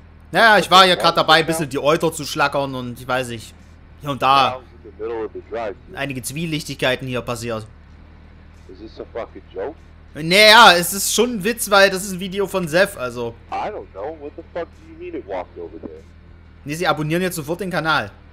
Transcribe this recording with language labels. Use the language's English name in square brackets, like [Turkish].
[German] Naja, ich war ja gerade dabei, ein bisschen die Euter zu schlackern und ich weiß nicht, hier und da einige Zwielichtigkeiten hier passiert. [English] Is this a fucking joke? [German] Naja, es ist schon ein Witz, weil das ist ein Video von Seth, also. [English] I don't know. What the fuck do you mean it walked over there? [German] Nee, sie abonnieren jetzt sofort den Kanal.